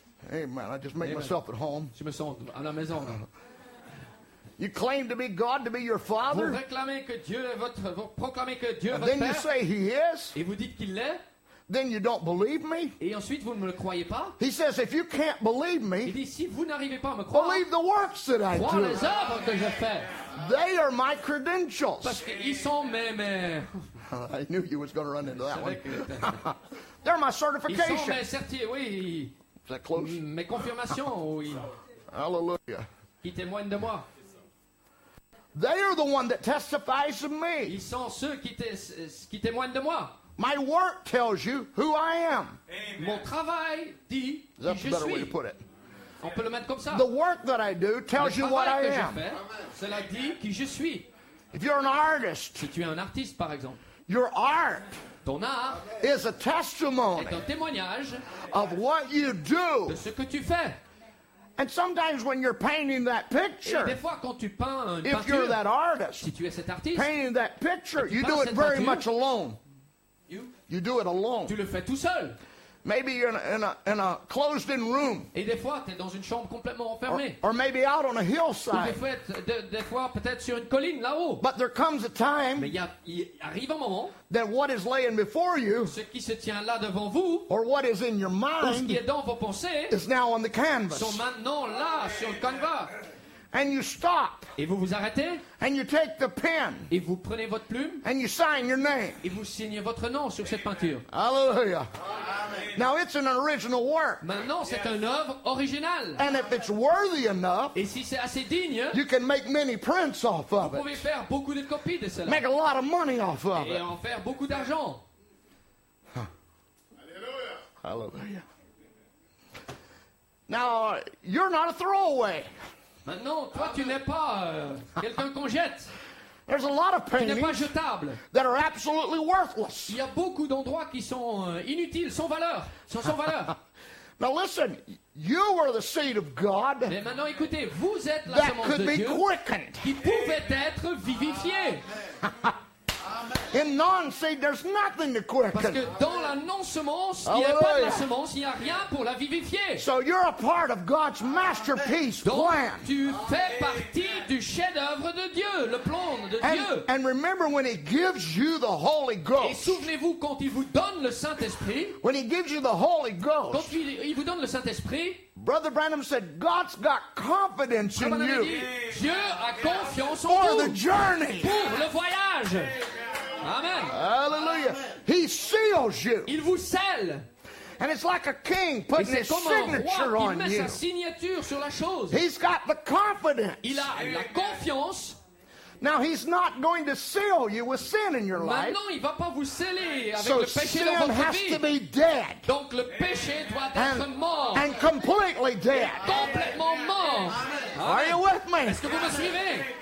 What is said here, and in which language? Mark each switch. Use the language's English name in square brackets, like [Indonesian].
[English] Amen. I just make myself at home. [French] Je me sens à la maison. [English] You claim to be God, to be your father. [French] Vous réclamez que Dieu est votre, vous proclamez que Dieu est votre père. [English] Then you say he is. [French] Et vous dites qu'il l'est. [English] Then you don't believe me. [French] Et ensuite vous ne me le croyez pas. [English] He says if you can't believe me. [French] Il dit si vous n'arrivez pas à me croire. [English] Believe the works that I do. [French] Les œuvres que je fais. [English] They are my credentials. [French] Parce qu'ils sont mes. [English] I knew you was going to run into that one. They're my certification. [French] Ils sont mes certiers, oui. [English] Is that close? [French] Mes confirmations, oui. [English] Hallelujah. [French] Qui témoigne de moi. [English] They are the one that testifies of me. [French] Ils sont ceux qui témoignent de moi. [English] My work tells you who I am. Amen. [French] Mon travail dit qui je suis. [English] That's a better way to put it. [French] On peut le mettre comme ça. [English] The work that I do tells you what I am. [French] Cela dit qui je suis. [English] If you're an artist, [French] si tu es un artiste, par exemple, [English] your art, [French] ton art, [English] is a testimony, [French] est un témoignage, [English] of what you do, [French] de ce que tu fais. [English] And sometimes when you're painting that picture, [French] des fois, quand tu peins une peinture, [English] if you're that artist, [French] si tu es cet artiste, [English] painting that picture, you do it very much alone. You do it alone. [French] Tu le fais tout seul. [English] Maybe you're in a closed-in room. [French] Et des fois, t'es dans une chambre complètement enfermée. [English] Or maybe out on a hillside. [French] Ou des fois, peut-être sur une colline là-haut. [English] But there comes a time. [French] Mais il arrive un moment. [English] That what is laying before you. [French] Ce qui se tient là devant vous. [English] Or what is in your mind. [French] Ce qui est dans vos pensées. [English] Is now on the canvas. [French] Sont maintenant là sur le canevas. [English] And you stop. [French] Et vous vous arrêtez. [English] And you take the pen. [French] Et vous prenez votre plume. [English] And you sign your name. [French] Et vous signez votre nom sur cette peinture. [English] Hallelujah. Now it's an original work. [French] Maintenant, c'est une œuvre originale. [English] And if it's worthy enough, [French] et si c'est assez digne, [English] you can make many prints off of it. [French] Vous pouvez faire beaucoup de copies de cela. [English] Make a lot of money off of it. [French] Et en faire beaucoup d'argent. [English] Huh. Hallelujah. Hallelujah. Now you're not a throwaway. [French] Maintenant, toi, tu n'es pas quelqu'un qu'on jette. [English] There's a lot of paintings. [French] Tu n'es pas jetable. [English] That are absolutely worthless. [French] Il y a beaucoup d'endroits qui sont inutiles, sans valeur, sans son valeur. [English] Now listen, you are the seed of God. [French] Mais maintenant, écoutez, vous êtes la semence de Dieu. [English] That could be quickened. [French] Qui pouvait être vivifié. [English] In non-seed, there's nothing to quicken. [French] Parce que dans la non-semence, il n'y a pas de la semence, il n'y a rien pour la vivifier. [English] So you're a part of God's masterpiece [French] donc, [English] plan. [French] Tu fais partie du chef-d'œuvre de Dieu, le plan de Dieu. [English] And remember when he gives you the Holy Ghost. [French] Et souvenez-vous quand il vous donne le Saint-Esprit. [English] When he gives you the Holy Ghost. [French] Quand il vous donne le Saint-Esprit. [English] Brother Branham said, God's got confidence in you. [French] Dieu a confiance en vous. [English] For the journey. [French] Pour le voyage. Amen. [English] Hallelujah. He seals you. [French] Il vous scelle. [English] And it's like a king putting his signature on you. [French] Il met sa signature sur la chose. [English] He's got the confidence. [French] Il a la confiance. [English] Now he's not going to seal you with sin in your life. [French] Maintenant, il va pas vous sceller avec [English] so [French] le péché [English] sin [French] dans votre [English] has [French] vie. [English] To be dead. [French] Donc le péché doit être [English] and, [French] mort. [English] And completely dead. [French] Et complètement mort. Amen. [English] Are you with me? [French] Est-ce que vous me suivez?